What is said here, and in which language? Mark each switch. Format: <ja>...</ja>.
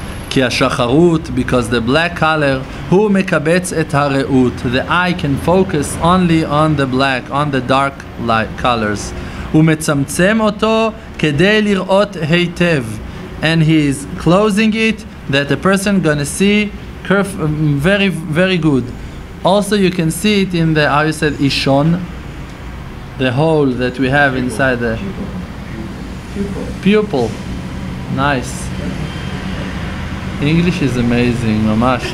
<he>כי השחרות,</he> <en>because the black color,</en> <he>הוא מקבץ את הראות.</he> <en>The eye can focus only on the black, on the dark light colors.</en> <he>הוא מצמצם אותו כדי לראות היטב.</he> <en>And he is closing it, that the person gonna see very, very good. Also, you can see it in the, how you said, ishon, the hole that we have inside the pupil. Nice. English is amazing, mamash.</en>